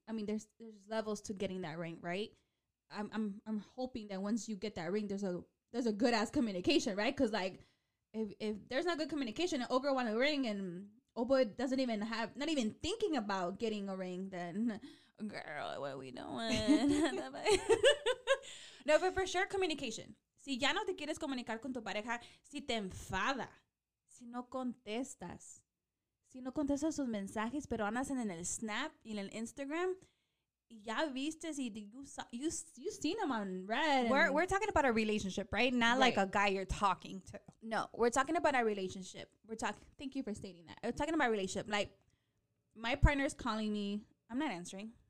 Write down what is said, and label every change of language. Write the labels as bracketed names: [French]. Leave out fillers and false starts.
[English] I mean, there's levels to getting that ring, right? I'm hoping that once you get that ring, there's a good ass communication, right? Because, like, if there's not good communication, an old girl want a ring and old boy doesn't even have, not even thinking about getting a ring, then girl, what are we doing? No, but for sure, communication. [Spanish] Si ya no te quieres comunicar con tu pareja, si te enfada, si no contestas, si no contestas sus mensajes, pero andas en el Snap y en el Instagram. Ya viste si [English] you seen him on red. We're talking about a relationship, right? Not right. Like a guy you're talking to. No, we're talking about a relationship. Thank you for stating that. We're talking about a relationship. Like, my partner's calling me. I'm not answering.